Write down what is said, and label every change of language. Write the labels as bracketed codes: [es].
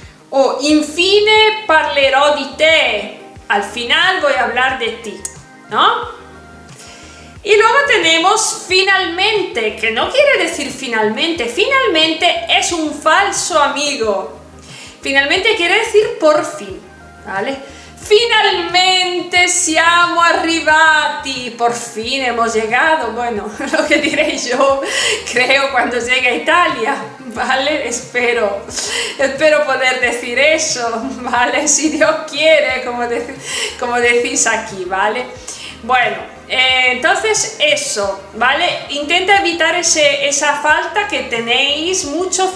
[it] O infine parlerò di te. [es] Al final voy a hablar de ti, ¿no? Y luego tenemos finalmente, que no quiere decir finalmente. Finalmente es un falso amigo. Finalmente quiere decir por fin, ¿vale? [it] Finalmente siamo arrivati. [es] Por fin hemos llegado. Bueno, lo que diré yo, creo, cuando llegue a Italia, ¿vale? Espero, espero poder decir eso, ¿vale? Si Dios quiere, como, como decís aquí, ¿vale? Bueno, entonces eso, ¿vale? Intenta evitar esa falta que tenéis mucho.